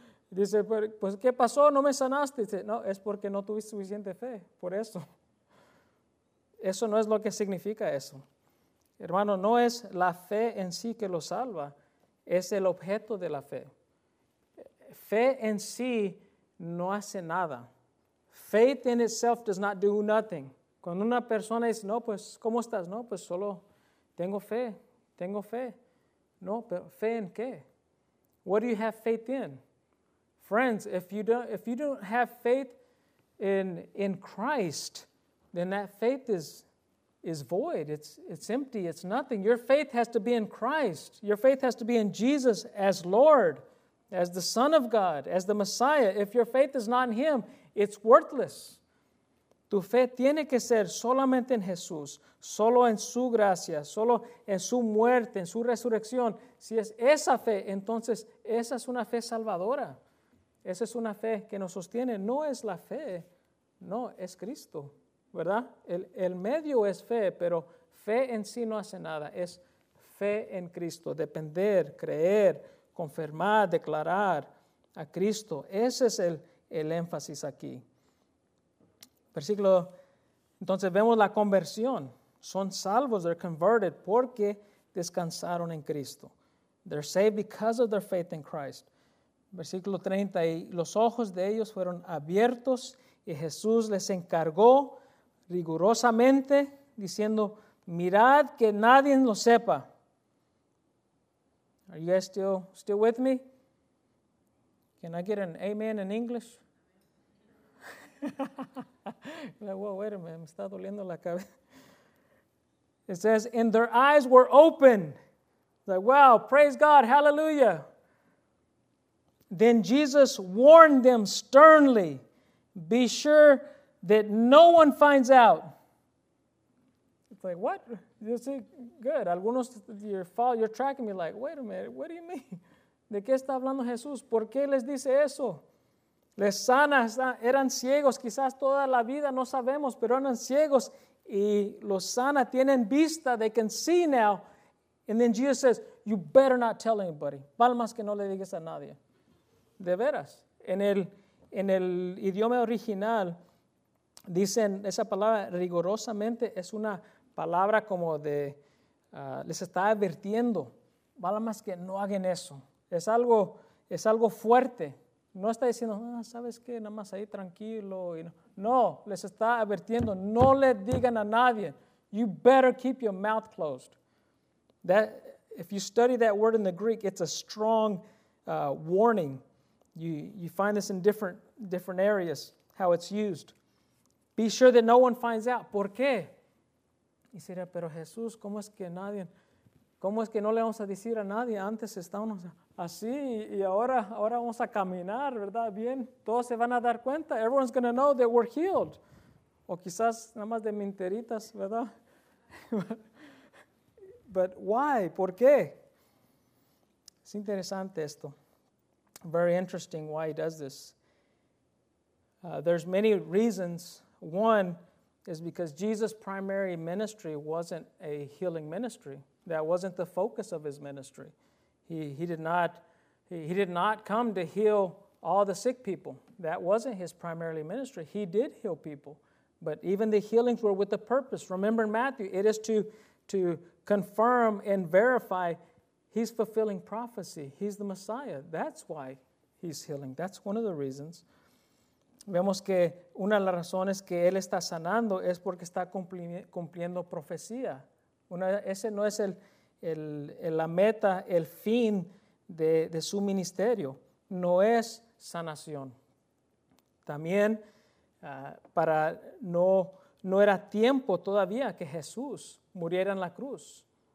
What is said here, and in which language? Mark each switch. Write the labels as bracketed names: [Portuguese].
[Spanish] Dice, pues, ¿qué pasó? ¿No me sanaste? Dice, no, es porque no tuviste suficiente fe, por eso. Eso no es lo que significa eso. Hermano, no es la fe en sí que lo salva, es el objeto de la fe. Fe en sí no hace nada. [English] Faith in itself does not do nothing. [Spanish] Cuando una persona dice, no, pues, ¿cómo estás? No, pues, solo tengo fe, tengo fe. No, pero ¿fe en qué? [English] What do you have faith in? Friends, if you don't have faith in Christ, then that faith is void. It's empty. It's nothing. Your faith has to be in Christ. Your faith has to be in Jesus as Lord, as the Son of God, as the Messiah. If your faith is not in Him, it's worthless. [Spanish] Tu fe tiene que ser solamente en Jesús, solo en su gracia, solo en su muerte, en su resurrección. Si es esa fe, entonces esa es una fe salvadora. Esa es una fe que nos sostiene. No es la fe, no, es Cristo, ¿verdad? El medio es fe, pero fe en sí no hace nada. Es fe en Cristo, depender, creer, confirmar, declarar a Cristo. Ese es el énfasis aquí. Versículo, entonces vemos la conversión. Son salvos, [English] they're converted, [Spanish] porque descansaron en Cristo. [English] They're saved because of their faith in Christ. [Spanish] Versículo 30, y los ojos de ellos fueron abiertos, y Jesús les encargó rigurosamente, diciendo, mirad que nadie lo sepa. [English] Are you guys still with me? Can I get an amen in English? Well, wait a minute, [Spanish] me está doliendo la cabeza. [English] It says, and their eyes were open. Like, wow, praise God, hallelujah. Then Jesus warned them sternly, be sure that no one finds out. It's like, what? You see, good. Algunos, you're tracking me like, wait a minute, what do you mean? [Spanish] ¿De qué está hablando Jesús? ¿Por qué les dice eso? Les sana, eran ciegos, quizás toda la vida, no sabemos, pero eran ciegos. Y los sana, tienen vista, [English] they can see now. And then Jesus says, you better not tell anybody. [Spanish] Palmas que no le digas a nadie. De veras. En el idioma original, dicen esa palabra rigurosamente, es una palabra como de, les está advirtiendo. Palmas que no hagan eso. Es algo fuerte. No está diciendo, ¿sabes qué? Nada más ahí tranquilo. No, les está advirtiendo. No le digan a nadie. [English] You better keep your mouth closed. That, if you study that word in the Greek, it's a strong warning. You find this in different areas, how it's used. Be sure that no one finds out. [Spanish] ¿Por qué? Y será, pero Jesús, ¿cómo es que nadie? ¿Cómo es que no le vamos a decir a nadie? Antes estábamos así y ahora vamos a caminar, ¿verdad? Bien, todos se van a dar cuenta. [English] Everyone's going to know that we're healed. [Spanish] O quizás nada más de minteritas, ¿verdad? [English] But why? [Spanish] ¿Por qué? Es interesante esto. [English] Very interesting why he does this. There's many reasons. One is because Jesus' primary ministry wasn't a healing ministry. That wasn't the focus of his ministry. He did not come to heal all the sick people. That wasn't his primary ministry. He did heal people. But even the healings were with a purpose. Remember in Matthew, it is to confirm and verify he's fulfilling prophecy. He's the Messiah. That's why he's healing. That's one of the reasons. [Spanish] Vemos que una de las razones que él está sanando es porque está cumpliendo profecía. Ese no es la meta, el fin de su ministerio. No es sanación. También para no era tiempo todavía que Jesús muriera en la cruz.